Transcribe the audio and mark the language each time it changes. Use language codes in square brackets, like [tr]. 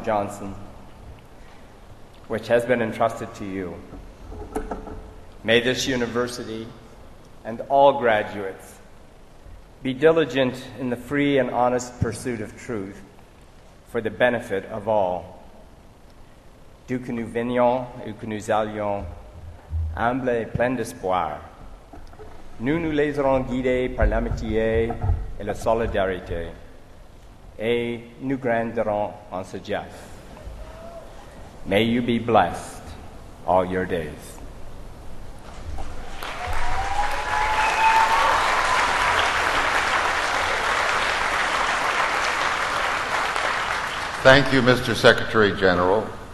[en] Johnson, which has been entrusted to you. May this university and all graduates be diligent in the free and honest pursuit of truth for the benefit of all. [fr] D'où que nous venions et que nous allions, humbles et pleins d'espoir, nous nous laisserons guider par l'amitié et la solidarité, et nous grandirons en sagesse. [en] May you be blessed all your days. Thank you. Thank you, Mr. Secretary General.